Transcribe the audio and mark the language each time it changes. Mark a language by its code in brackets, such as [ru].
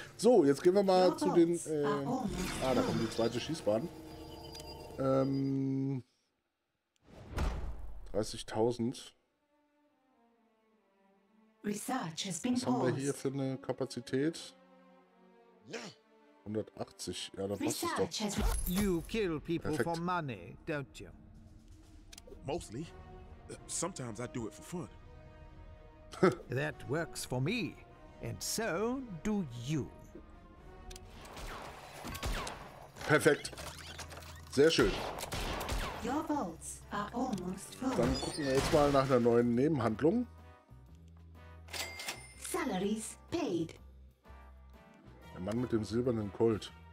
[de] So, jetzt gehen wir mal zu den... da kommt die zweite Schießbahn. 30.000. Was haben wir hier für eine Kapazität? 180. Ja, dann passt es doch. [en] You kill people for money, don't you? Mostly. Sometimes I do it for fun. That works for me. And so do you. [de] Perfekt. Sehr schön. [en] Your vaults are almost full. [de] Dann gucken wir jetzt mal nach einer neuen Nebenhandlung. [en] Salaries paid. [de] Der Mann mit dem silbernen Colt.